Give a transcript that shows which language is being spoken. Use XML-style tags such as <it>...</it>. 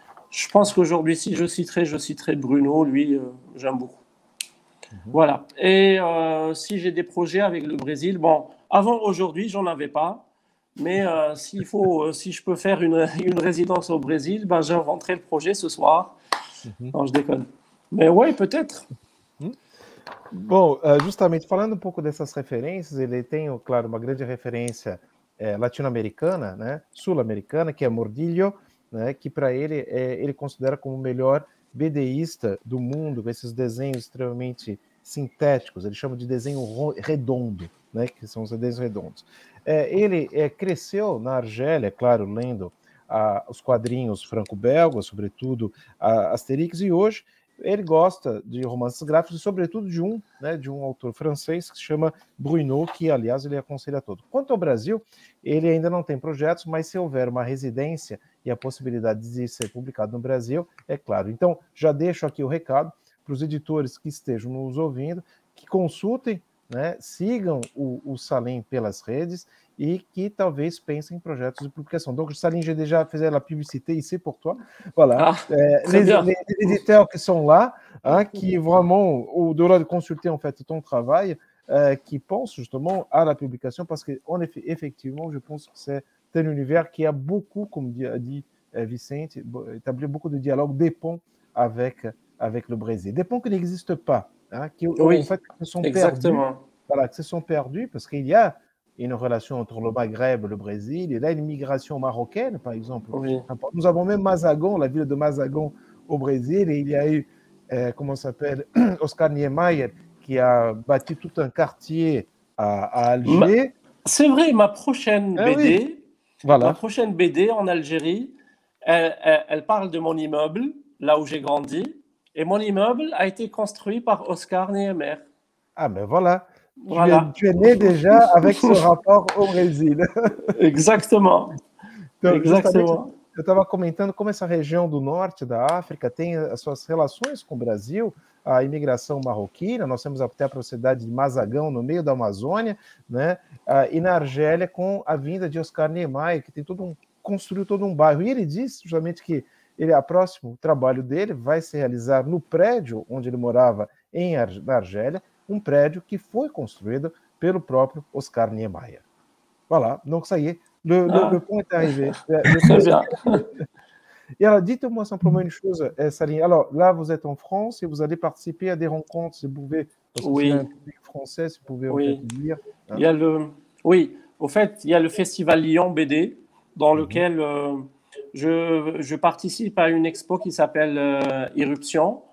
<fr>Je pense qu'aujourd'hui, si je citerai, Bruno, lui, j'aime beaucoup. Mmh. Voilà. Et si j'ai des projets avec le Brésil, bon, avant aujourd'hui, j'en avais pas, mais si je peux faire une résidence au Brésil, ben, j'ai rentré le projet ce soir. Mmh. Non, je déconne. Mais ouais, peut-être.</fr> <pt>Bom, justamente falando um pouco dessas referências, ele tem, claro, uma grande referência latino-americana, né, sul-americana, que é Mordillo, né, que para ele ele considera como o melhor BDista do mundo, com esses desenhos extremamente sintéticos, ele chama de desenho redondo, né, que são os desenhos redondos. Ele cresceu na Argélia, claro, lendo os quadrinhos franco-belgas, sobretudo a Asterix, e hoje ele gosta de romances gráficos, sobretudo de um autor francês que se chama Bruno, que, aliás, ele aconselha a todo. Quanto ao Brasil, ele ainda não tem projetos, mas se houver uma residência e a possibilidade de ser publicado no Brasil, é claro. Então, já deixo aqui o recado para os editores que estejam nos ouvindo, que consultem, né, sigam o Salim pelas redes e que talvez pensem em projetos de publicação.</pt> <fr>Donc, Salim, j'ai déjà fait la publicité ici pour toi. Voilà. Les éditeurs qui sont là, hein, qui vraiment, au-delà de consulter en fait ton travail, qui pensent justement à la publication, parce que en effet, effectivement, je pense que c'est un univers qui a beaucoup, comme dit Vicente, établi beaucoup de dialogues, des ponts avec le Brésil. Des ponts qui n'existent pas. Hein, qui, oui, en fait, se sont exactement. Perdus, voilà, qui se sont perdus, parce qu'il y a une relation entre le Maghreb et le Brésil, et là, une migration marocaine, par exemple. Oui. Nous avons même Mazagon, la ville de Mazagon au Brésil, et il y a eu, Oscar Niemeyer, qui a bâti tout un quartier à Alger. C'est vrai, ma prochaine BD, oui. Voilà. Ma prochaine BD en Algérie, elle parle de mon immeuble, là où j'ai grandi, et mon immeuble a été construit par Oscar Niemeyer. Ah, mais voilà. Tu es né déjà avec ce rapport au Brésil. Exactement. Donc, exactement.</fr> <pt>Eu estava comentando como essa região do norte da África tem as suas relações com o Brasil, a imigração marroquina, nós temos até a proximidade de Mazagão no meio da Amazônia, né? E na Argélia com a vinda de Oscar Niemeyer, que construiu todo um bairro. E ele disse justamente que o próximo trabalho dele vai se realizar no prédio onde ele morava na Argélia, um prédio que foi construído pelo próprio Oscar Niemeyer.</pt> <fr>Voilà, donc ça y est, le point est arrivé. Et alors, dites-moi simplement une chose, Saline. Alors là, vous êtes en France et vous allez participer à des rencontres, si vous pouvez, parce que c'est un public français, si vous pouvez en fait, dire. Hein. Oui, au fait, il y a le Festival Lyon BD, dans lequel je participe à une expo qui s'appelle Irruption.</fr>